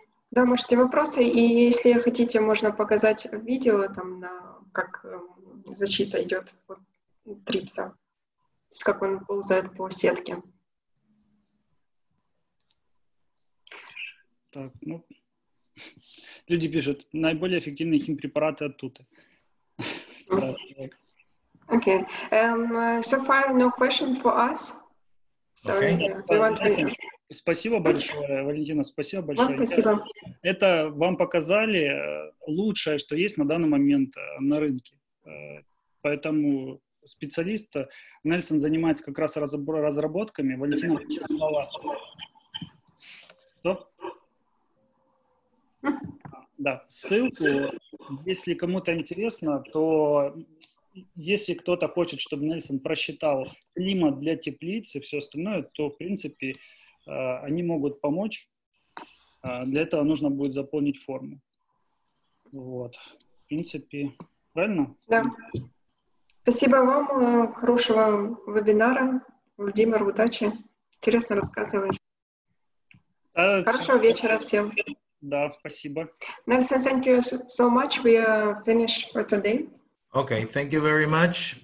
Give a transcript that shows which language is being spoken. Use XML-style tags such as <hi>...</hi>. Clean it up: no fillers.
<ru>Да, можете вопросы, и если хотите, можно показать видео, там, на как защита идет от трипса, то есть как он ползает по сетке. Так, ну, люди пишут, наиболее эффективные химпрепараты от Туты.</ru> <en>Okay, so far no question for us. Okay.</en> <ru>Спасибо большое, Валентина, спасибо большое. Вам спасибо. Это вам показали лучшее, что есть на данный момент на рынке. Поэтому специалист Нельсон занимается как раз разработками. Валентина, слова. Что? Да, ссылку, если кому-то интересно, то если кто-то хочет, чтобы Нельсон просчитал климат для теплицы и все остальное, то, в принципе, они могут помочь. Для этого нужно будет заполнить форму. Вот. В принципе, правильно? Да. Спасибо вам. Хорошего вебинара. Владимир, удачи. Интересно рассказываешь. Хорошего вечера всем. Да, спасибо.</ru> <en>Нельсон, thank you so much. We are finished for today. Okay, thank you very much.</en>